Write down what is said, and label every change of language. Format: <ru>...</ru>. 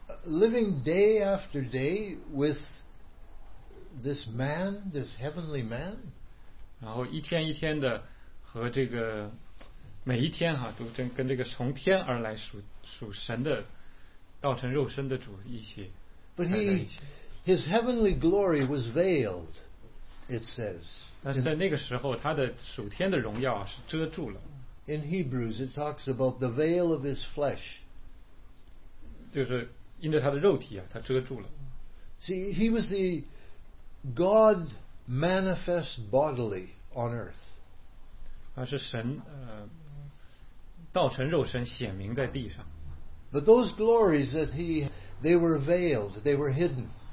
<en>Living day after day with this man, this heavenly man?</en> <zh>然后一天一天的和这个 每一天啊, 都跟这个从天而来属神的道成肉身的主一起,</zh> <en>but his heavenly glory was veiled, it says.</en> <zh>但是在那个时候, 他的属天的荣耀啊, 是遮住了。</zh> <en>In Hebrews, it talks about the veil of his flesh.</en> <zh>就是因着他的肉体啊, 他遮住了。</zh> <en>See, he was the God manifest bodily on earth.</en> <zh>他是神, 道成肉身显明在地上。</zh> <en>But those glories that he, they were veiled, they were hidden.</en>